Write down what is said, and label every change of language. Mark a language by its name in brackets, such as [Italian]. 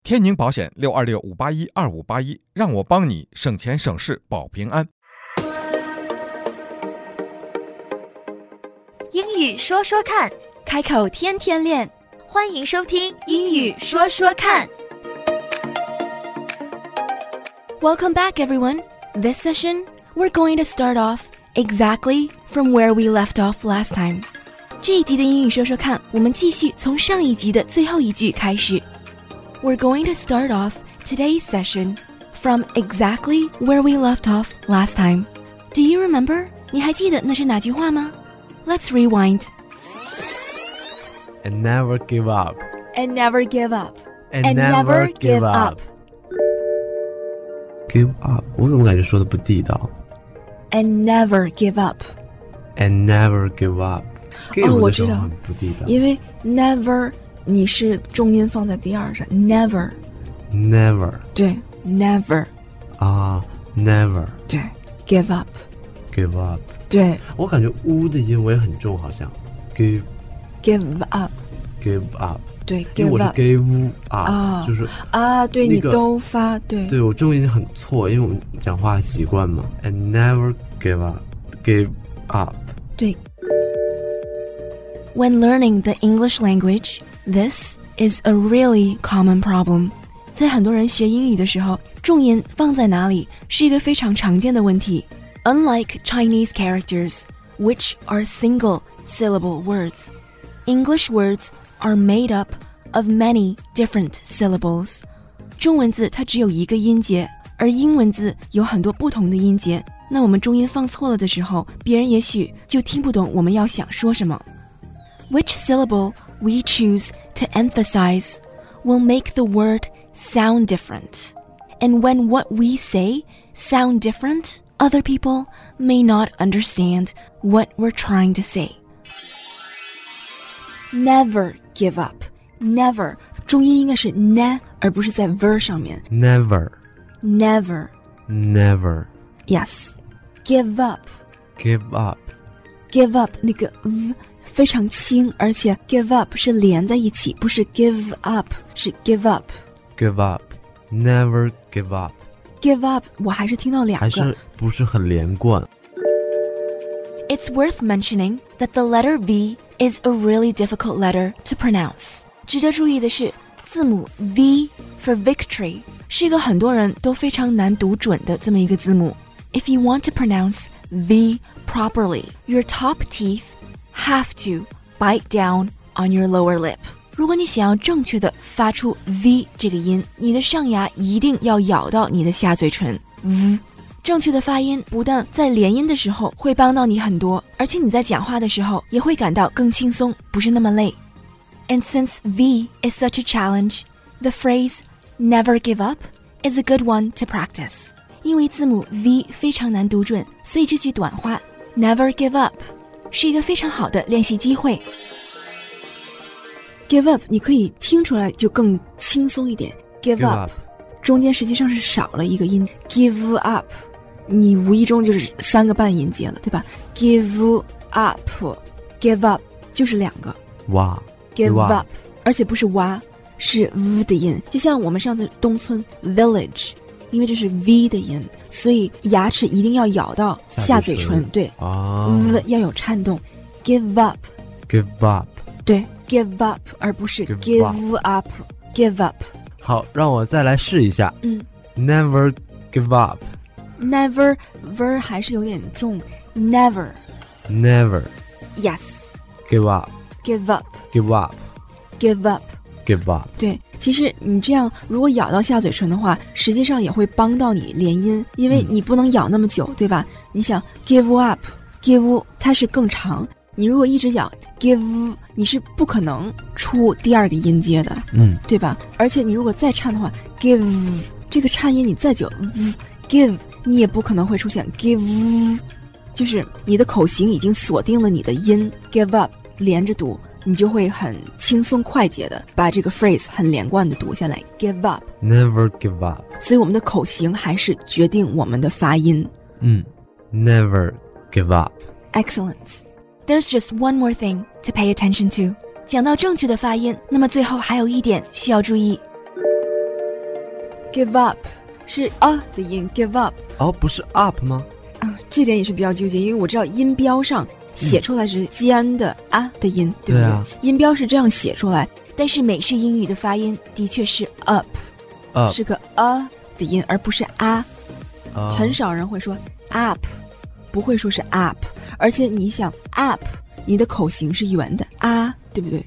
[Chinese] 天宁保险626-581-2581，让我帮你省钱省事保平安。英语说说看，开口天天练，欢迎收听英语说说看。 [English] Welcome back, everyone. This session, we're going to start off exactly from where we left off last time. [Chinese] 这一集的英语说说看，我们继续从上一集的最后一句开始。 [English] We're going to start off today's session from exactly where we left off last time. Do you remember? [Chinese] 你还记得那是哪句话吗？ [English] Let's rewind. And never give up. And never give up. And never give up. Give up. [Chinese] 我怎么感觉说的不地道？ [English] And never give up. And never give up. [Chinese] Give 我知道，不地道，因为 never 你是重音放在第二声 ，never。 [English] Never. [Chinese] 对 ，never. [English] 啊、，never. 对 ，give up. Give up. [Chinese] 对，我感觉乌的音我也很重，好像 [English] give up [Chinese] 对，因为我是 [English] give up、啊、 [Chinese] 就是啊，对、那个、你都发对，对我重音很错，因为我们讲话习惯嘛。 [English] And never give up, give up. [Chinese] 对。 [English] When learning the English language, this is a really common problem. [Chinese] 在很多人学英语的时候，重音放在哪里是一个非常常见的问题。 [English] Unlike Chinese characters, which are single-syllable words, English words are made up of many different syllables. [Chinese] 中文字它只有一个音节，而英文字有很多不同的音节。那我们中音放错了的时候，别人也许就听不懂我们要想说什么。 [English] Which syllable we choose to emphasize will make the word sound different. And when what we say sound different,Other people may not understand what we're trying to say. Never give up. Never. [Chinese] 重音应该是 ne 而不是在 ver 上面。 [English] Never. Never. Never. Yes. Give up. Give up. Give up. [Chinese] 那个 v 非常轻，而且 [English] give up [Chinese] 是连在一起，不是 give up, 是 give up. [English] Give up. Never give up. Give up, [Chinese] 我还是听到两个。还是不是很连贯。 [English] It's worth mentioning that the letter V is a really difficult letter to pronounce. [Chinese] 值得注意的是，字母 [English] V for victory [Chinese] 是一个很多人都非常难读准的这么一个字母。 [English] If you want to pronounce V properly, your top teeth have to bite down on your lower lip. [Chinese] 如果你想要正确的发出 V 这个音，你的上牙一定要咬到你的下嘴唇。 V 正确的发音不但在连音的时候会帮到你很多，而且你在讲话的时候也会感到更轻松，不是那么累。 [English] And since V is such a challenge, the phrase never give up is a good one to practice. [Chinese] 因为字母 V 非常难读准，所以这句短话 [English] never give up [Chinese] 是一个非常好的练习机会。 [English] Give up, [Chinese] 你可以听出来就更轻松一点。 [English] Give up, [Chinese] 中间实际上是少了一个音。Give up, 你无意中就是三个半音节了，对吧 ？ [English] Give up, give up [Chinese] 就是两个。哇，Give up, 而且不是哇，是 v 的音。就像我们上次东村 village, 因为这是 v 的音，所以牙齿一定要咬到下嘴唇，对、啊、，v 要有颤动。Give up, 对。 [English] Give up, [Chinese] 而不是 [English] give up. [Chinese] 好，让我再来试一下。嗯 [English] ，Never give up. [Chinese] Never, ver 还是有点重。 [English] Never. Never. Yes. Give up. Give up. Give up. Give up. Give up. [Chinese] 对，其实你这样如果咬到下嘴唇的话，实际上也会帮到你连音，因为你不能咬那么久，对吧？你想 give up, give 它是更长。你如果一直咬 give, 你是不可能出第二个音阶的，嗯，对吧？而且你如果再颤的话 give, 这个颤音你再久 give, 你也不可能会出现 give, 就是你的口型已经锁定了你的音 [English] give up, [Chinese] 连着读，你就会很轻松快捷的把这个 phrase 很连贯的读下来 give up, [English] never give up, [Chinese] 所以我们的口型还是决定我们的发音， [English] 嗯 never give up, excellent, There's just one more thing to pay attention to. [Chinese] 讲到正确的发音，那么最后还有一点需要注意。 [English] give up [Chinese] 是 a 的音 give up 哦，不是 up 吗？啊，这点也是比较纠结，因为我知道音标上写出来是尖的啊的音，对不对啊，音标是这样写出来，但是美式英语的发音的确是 up， 是个 a 的音，而不是 a。很少人会说 up， 不会说是 up， 而且你想 up， 你的口型是圆的啊，对不对？